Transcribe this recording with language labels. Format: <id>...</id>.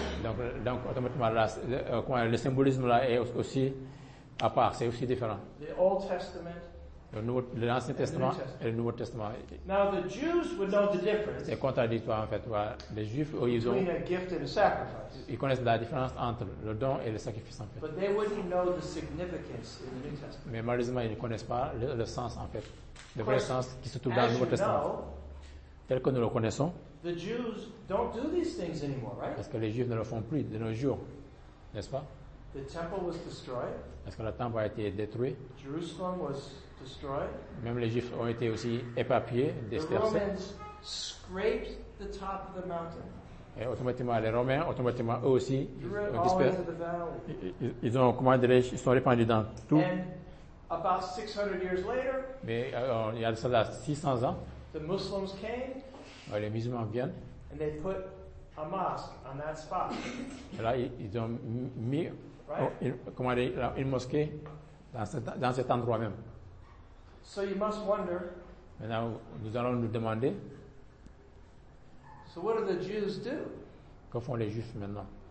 <fr>Donc automatiquement, le symbolisme là est aussi à part, c'est aussi différent.</fr> <en>The Old Testament,</en> <fr>l'Ancien Testament et le Nouveau Testament.</fr> <en>Now the Jews would know the difference.</en> <fr>C'est contradictoire en fait. Ouais. Les Juifs, ils ont.</fr> <en>Between a gift and a sacrifice.</en> <fr>Ils connaissent la différence entre le don et le sacrifice en fait.</fr> <en>But they wouldn't know the significance in the New Testament.</en> <fr>Mais malheureusement, ils ne connaissent pas le sens en fait. Le vrai sens qui se trouve dans le Nouveau Testament. Tel que nous le connaissons.</fr> <en>The Jews don't do these things anymore, right?</en> <fr>Parce que les Juifs ne le font plus de nos jours, n'est-ce pas?</fr> <en>The temple was destroyed.</en> <fr>Parce que le temple a été détruit.</fr> <en>Jerusalem was destroyed.</en> <fr>Même les Juifs ont été aussi éparpillés, dispersés.</fr> <en>The Romans scraped the top of the mountain.</en> <fr>Et automatiquement, les Romains, automatiquement, eux aussi, ils ont dispersé. Ils ont, comment dirais-je, ils sont répandus dans tout.</fr> <en>And about 600 years later,</en> <fr>il y a cela 600 ans,</fr> <en>the Muslims came.</en> <fr>Les musulmans viennent.</fr> <en>And they put a mosque on that spot.</en> <fr>Et là, ils ont mis une mosquée dans cet endroit même.</fr> <en>So you must wonder.</en> <fr>Maintenant, nous allons nous demander.</fr> <en>So what do the Jews do?</en> <fr>Que font les Juifs maintenant?</fr>